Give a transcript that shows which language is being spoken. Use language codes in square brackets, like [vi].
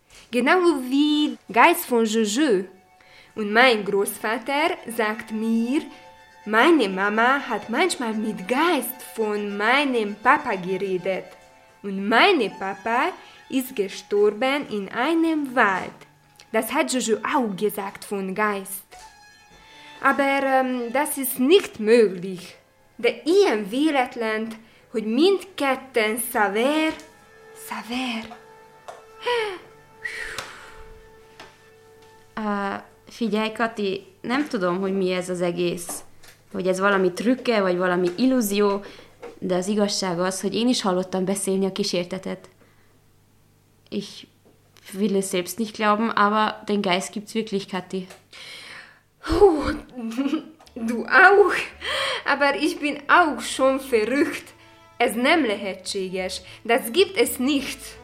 [de] Genau wie Geist von Juju. Und mein Großvater sagt mir, meine Mama hat manchmal mit Geist von meinem Papa geredet. Und mein Papa ist gestorben in einem Wald. Das hat Juju auch gesagt von Geist. Aber das ist nicht möglich. [hu] De ilyen véletlen, hogy mindketten Saver, Saver. Figyelj, Kati, nem tudom, hogy mi ez az egész. Hogy ez valami trükke, vagy valami illúzió, de az igazság az, hogy én is hallottam beszélni a kísértetet. [de] Ich will es selbst nicht glauben, aber den Geist gibt's wirklich, Kati. Du auch? Aber ich bin auch schon verrückt. [hu] Es nem lehetséges. [de] Das gibt es nicht.